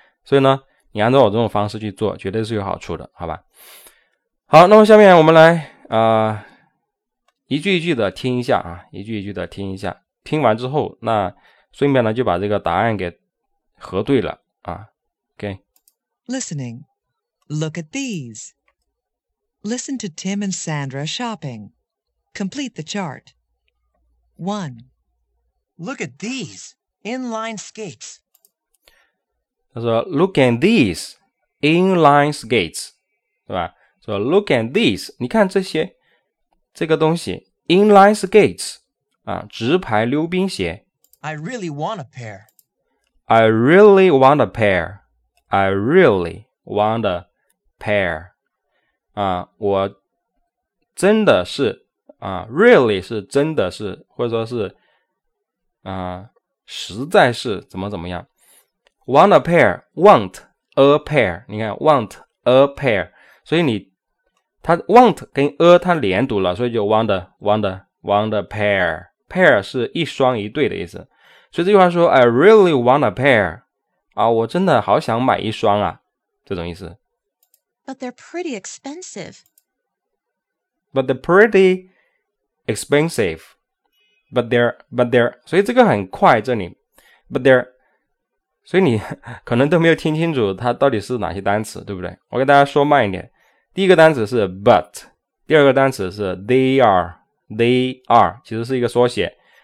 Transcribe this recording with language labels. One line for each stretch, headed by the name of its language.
Chinese: 所以呢，你按照我这种方式去做，绝对是有好处的，好吧？好，那么下面我们来一句一句的听一下啊，一句一句的听一下，听完之后，那顺便呢就把这个答案给核对了啊。
English: Okay. Listening. Look at these. Listen to Tim and Sandra shopping. Complete the chart. 1. Look at these inline skates.
Chinese: 他说
English: look at these inline skates,
Chinese: 对吧？说
English: look at these,
Chinese: 你看这些这个东西 inline skates, 啊，直排溜冰鞋。
English: I really want a pair. I really want a pair. I really want a pair.
Chinese: 啊，我真的是啊 ，really 是真的是，或者说是啊，实在是怎么怎么样 ？
English: Want a pair? Want a pair?
Chinese: 你看
English: ，want a pair.
Chinese: 所以你它 want 跟 a 它连读了，所以就 want a pair. Pair 是一双一对的意思。所以这句话说
English: ，I really want a pair.
Chinese: 啊，我真的好想买一双啊，这种意思。
English: But they're pretty expensive. But they're pretty expensive. But they're,
Chinese: 所以这个很快这里。But they're, 所以你可能都没有听清楚它到底是哪些单词，对不对？我给大家说慢一点。第一个单词是 but, 第二个单词是 they are, 其实是一个缩写。